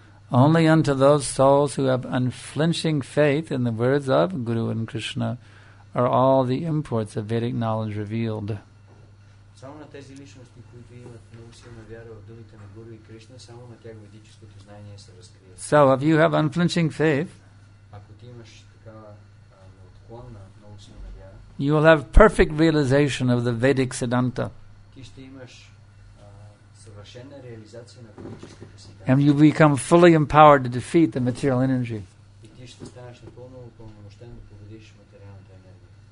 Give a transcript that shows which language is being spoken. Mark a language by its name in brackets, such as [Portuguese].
[English] Only unto those souls who have unflinching faith in the words of Guru and Krishna are all the imports of Vedic knowledge revealed. [Bulgarian] Само на тези личности, които имат много силна вяра в думите на Гуру и Кришна, само на тях ведическото знание се разкрива. [English] So, if you have unflinching faith, [Bulgarian] ако ти имаш такава неотклонна, много силна вяра, [English] you will have perfect realization of the Vedic Siddhanta. [Bulgarian] Ти ще имаш съвършена реализация на ведическата [Sanskrit] Siddhanta. [English] And you become fully empowered to defeat the material energy. [Bulgarian] И ти ще станеш напълно упълномощен да победиш материалната енергия.